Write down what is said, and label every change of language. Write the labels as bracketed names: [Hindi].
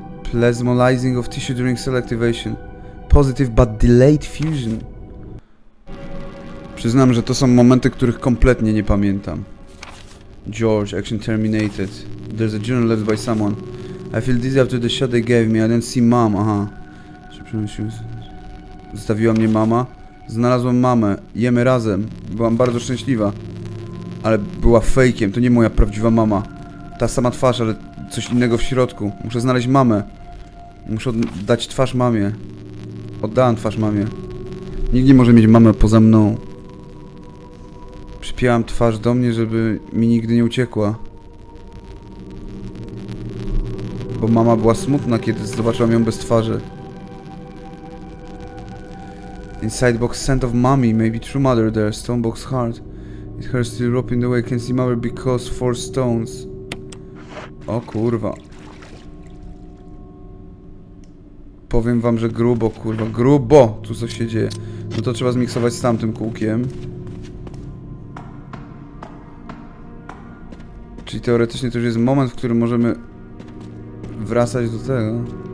[English] Plasmolyzing of tissue during cell activation. Positive but delayed fusion. [Polish] Przyznam, że to są momenty, których kompletnie nie pamiętam. [English] George, action terminated. There's a journal left by someone. I feel dizzy after the shot they gave me. I didn't see mom. Aha. [Polish] Zostawiła mnie mama. Znalazłem mamę. Jemy razem. Byłam bardzo szczęśliwa. Ale była fejkiem. To nie moja prawdziwa mama. Ta sama twarz, ale coś innego w środku. Muszę znaleźć mamę. Muszę oddać twarz mamie. Oddałam twarz mamie. Nikt nie może mieć mamy poza mną. Przypięłam twarz do mnie, żeby mi nigdy nie uciekła. Bo mama była smutna, kiedy zobaczyłam ją bez twarzy. [English] Inside box scent of mommy, maybe true mother there, stone box heart. It hurts still roping the way, can't see mother because four stones. [Polish] O kurwa. Powiem wam, że grubo, kurwa, grubo tu coś się dzieje. No to trzeba zmiksować z tamtym kółkiem. Czyli teoretycznie to już jest moment, w którym możemy wracać do tego.